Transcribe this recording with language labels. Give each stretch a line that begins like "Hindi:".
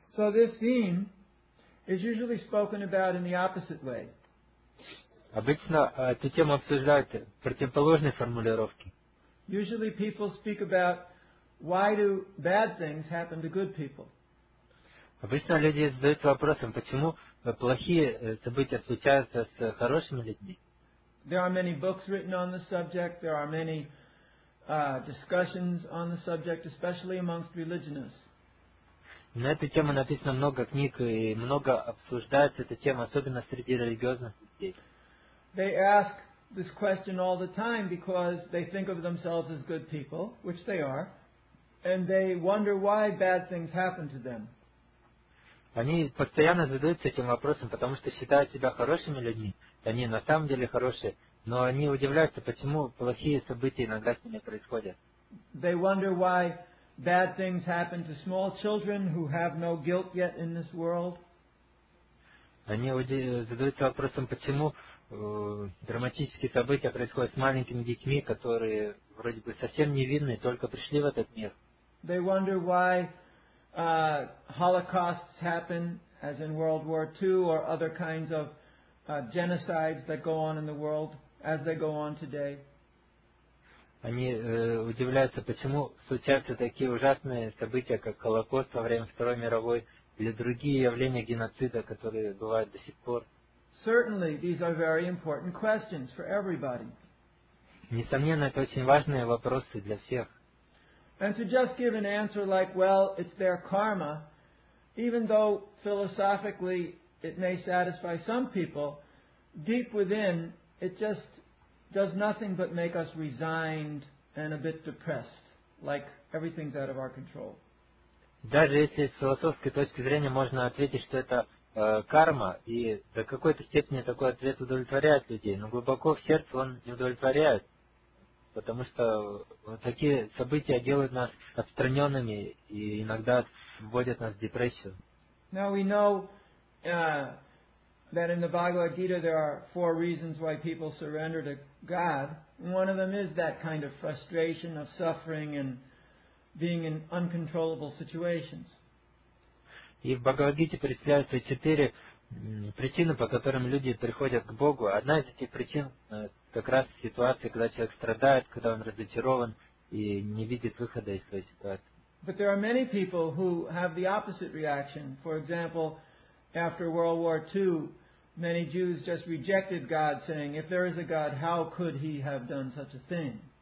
English: So this theme is usually spoken about in the opposite way.
Russian: Обычно эту тему обсуждают в противоположной формулировке.
English: Usually people speak about why do bad things happen to good people.
Russian: Обычно люди задают вопросом, почему плохие события случаются с хорошими людьми.
English: There are many books written on the subject. There are many discussions on the subject, especially amongst religionists.
Russian: На эту тему написано много книг и много обсуждается эта тема, особенно среди религиозных людей.
English: They ask this question all the time because they think of themselves as good people, which they are, and they wonder why bad things happen to them.
Russian: Они постоянно задаются этим вопросом, потому что считают себя хорошими людьми. Они на самом деле хорошие, но они удивляются, почему плохие события иногда с ними происходят.
English: They wonder why bad things happen to small children who have no guilt yet in this world.
Russian: Они задаются вопросом, почему драматические события происходят с маленькими детьми, которые вроде бы совсем невинны, только пришли в этот мир.
English: They wonder why holocausts happen, as in World War II, or other kinds of genocides that go on in the world, as they go on today.
Russian: Они удивляются, почему случаются такие ужасные события, как Холокост во время Второй мировой, или другие явления геноцида, которые бывают до сих пор.
English: Certainly, these are very important questions for everybody.
Russian: Несомненно, это очень важные вопросы для всех.
English: And to just give an answer like, well, it's their karma, even though philosophically it may satisfy some people, deep within, it just does nothing but make us resigned and a bit depressed, like everything's out of our control.
Russian: Даже если с философской точки зрения можно ответить, что это карма, и до какой-то степени такой ответ удовлетворяет людей, но глубоко в сердце он не удовлетворяет, потому что такие события делают нас отстраненными и иногда вводят нас в депрессию.
English: Now we know that in the Bhagavad Gita there are four reasons why people surrender to God. One of them is that kind of frustration of suffering and being in uncontrollable situations.
Russian: И в Бхагавад-гите перечисляются четыре причины, по которым люди приходят к Богу. Одна из этих причин как раз ситуация, когда человек страдает, когда он разочарован и не видит выхода из своей ситуации.
English: But there are many people who have the opposite reaction. For example, after World War II, many Jews just rejected God, saying, if there is a God, how could he have done such a thing?